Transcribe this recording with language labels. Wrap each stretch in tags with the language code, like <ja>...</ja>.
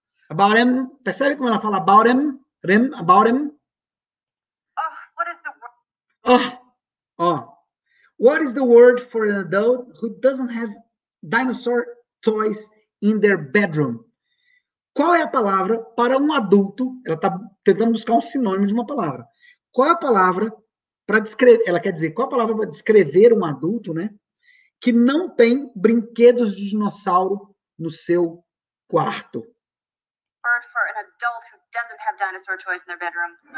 <en>About him,</en> <pt>percebe como ela fala</pt> <en>about him? Rim, about him? Oh. What is the word for an adult who doesn't have dinosaur toys in their bedroom?</en> <pt>Qual é a palavra para um adulto? Ela está tentando buscar um sinônimo de uma palavra. Qual é a palavra para descrever? Ela quer dizer, qual a palavra para descrever um adulto, né, que não tem brinquedos de dinossauro no seu quarto?</pt> <en>Word for an adult who doesn't have dinosaur toys in their bedroom.</en>